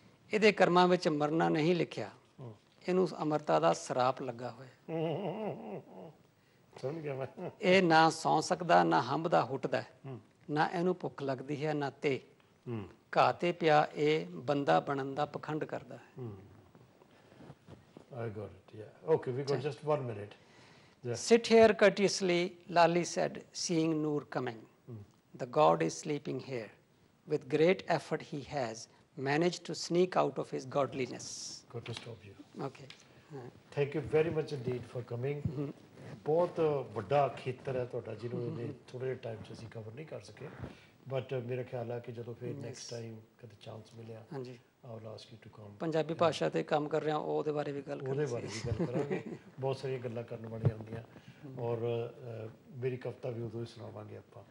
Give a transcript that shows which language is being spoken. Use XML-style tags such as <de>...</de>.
<pa>ਇਹਦੇ ਕਰਮਾਂ ਵਿੱਚ ਮਰਨਾ ਨਹੀਂ ਲਿਖਿਆ, ਇਹਨੂੰ ਅਮਰਤਾ ਦਾ ਸਰਾਪ ਲੱਗਾ ਹੋਇਆ। ਇਹ ਨਾ ਸੌਂ ਸਕਦਾ, ਨਾ ਹੰਭਦਾ ਹੁੱਟਦਾ, ਨਾ ਇਹਨੂੰ ਭੁੱਖ ਲੱਗਦੀ ਹੈ, ਨਾ ਤੇ ਘਾਹ 'ਤੇ ਪਿਆ ਇਹ ਬੰਦਾ ਬਣਨ ਦਾ ਪਖੰਡ ਕਰਦਾ ਹੈ।</pa> <en>I got it, yeah. Okay, we got just 1 minute. Yeah. Sit here courteously, Lali said, seeing Noor coming. Mm. The god is sleeping here. With great effort he has managed to sneak out of his godliness. Got to stop you. Okay. Thank you very much indeed for coming.</en> <pa>ਬਹੁਤ ਵੱਡਾ ਖੇਤਰ ਹੈ ਤੁਹਾਡਾ ਜਿਹਨੂੰ ਇੰਨੇ ਥੋੜ੍ਹੇ ਜਿਹੇ time 'ਚ ਅਸੀਂ ਕਵਰ ਨਹੀਂ ਕਰ ਸਕੇ, ਬਟ ਮੇਰਾ ਖਿਆਲ ਹੈ ਕਿ ਜਦੋਂ ਫਿਰ ਨੈਕਸਟ ਟਾਈਮ ਕਦੇ ਚਾਂਸ ਮਿਲਿਆ, ਹਾਂਜੀ,</pa> <en>I will ask you to come.</en> <pa>Punjabi ਭਾਸ਼ਾ 'ਤੇ ਕੰਮ ਕਰ ਰਿਹਾ, ਉਹਦੇ ਬਾਰੇ ਵੀ ਗੱਲ, ਉਹਦੇ ਬਾਰੇ ਵੀ ਗੱਲ ਕਰਾਂਗੇ, ਬਹੁਤ ਸਾਰੀਆਂ ਗੱਲਾਂ ਕਰਨ ਵਾਲੀਆਂ ਹੁੰਦੀਆਂ ਔਰ ਮੇਰੀ ਕਵਿਤਾ ਵੀ ਉਦੋਂ ਹੀ ਸੁਣਾਵਾਂਗੇ ਆਪਾਂ।</pa>